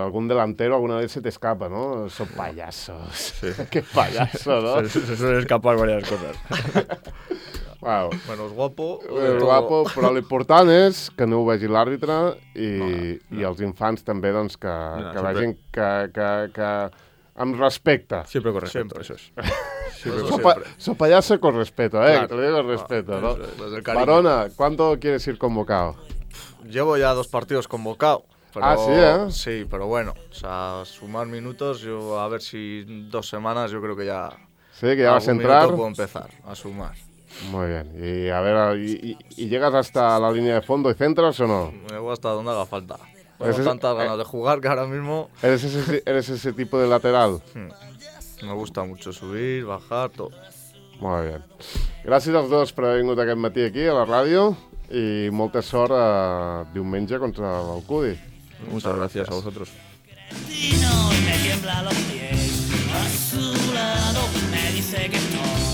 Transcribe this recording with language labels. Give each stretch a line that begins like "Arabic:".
Spanish: Algún delantero alguna vez se te escapa, ¿no? Son payasos. Sí. Qué payaso, ¿no? Se suelen escapar varias cosas. Wow. Bueno, es guapo.
Catalan: Pero lo importante es que no vegi l'àrbitre i els infants també, doncs, que vegin que amb respecte.
Spanish: Siempre con respecto, eso es. Son payaso con respeto, ¿eh? Claro. Te lo digo con respeto, ¿no? Barona, ¿cuánto quieres ir convocado? Llevo ya dos partidos convocado. Pero, ah, sí, ¿eh? Sí, pero bueno, o sea, sumar minutos, yo a ver si dos semanas yo creo que ya... Sí, que ya vas a entrar. Puedo empezar a sumar. Muy bien, y a ver, ¿y llegas hasta la línea de fondo y centras o no? Me voy hasta donde haga falta. Tengo tantas ganas de jugar que ahora mismo... ¿Eres ese tipo de lateral? Me gusta mucho subir, bajar, todo.
Catalan: Molt bé. Gràcies als dos per haver vingut aquest matí aquí a la ràdio i molta sort a diumenge contra el Cudi. Moltes gràcies a vosaltres.
Spanish: Me tiembla los pies, azulado, me dice que no.